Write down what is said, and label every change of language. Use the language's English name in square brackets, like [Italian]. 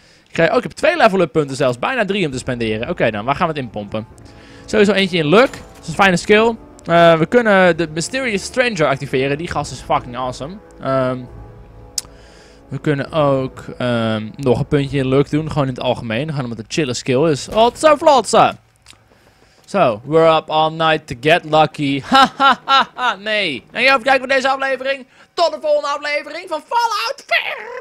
[Dutch] Ik heb 2 level up punten zelfs. Bijna 3 om te spenderen. Oké, dan. Waar gaan we het in pompen? Sowieso eentje in luck. Dat is een fijne skill. We kunnen de Mysterious Stranger activeren. Die gast is [English] fucking awesome. [Dutch] We kunnen ook nog een puntje in luck doen. Gewoon in het algemeen. Dan gaan we met een chille skill. Dus, otsa flotsa. [English] Zo, we're up all night to get lucky. [Dutch] Ha ha ha ha, nee. Dank je wel voor het kijken van deze aflevering. Tot de volgende aflevering van Fallout 4.